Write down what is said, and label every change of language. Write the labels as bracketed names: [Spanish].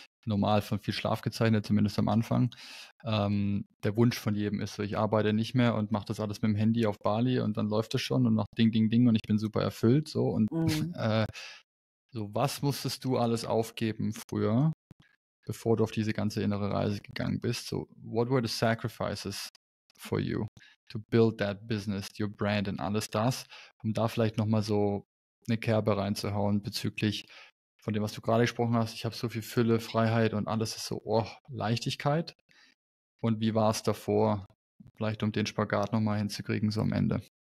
[German] normal von viel Schlaf gezeichnet, zumindest am Anfang. Der Wunsch von jedem ist so, ich arbeite nicht mehr und mache das alles mit dem Handy auf Bali und dann läuft es schon und macht Ding, Ding, Ding und ich bin super erfüllt. So. Und so, was musstest du alles aufgeben früher, bevor du auf diese ganze innere Reise gegangen bist? [English] So, what were the sacrifices for you to build that business, your brand and [German] alles das? Um da vielleicht nochmal so eine Kerbe reinzuhauen bezüglich von dem, was du gerade gesprochen hast, ich habe so viel Fülle, Freiheit und alles ist so, oh, Leichtigkeit. Und wie war es davor, vielleicht um den Spagat nochmal hinzukriegen, so am Ende?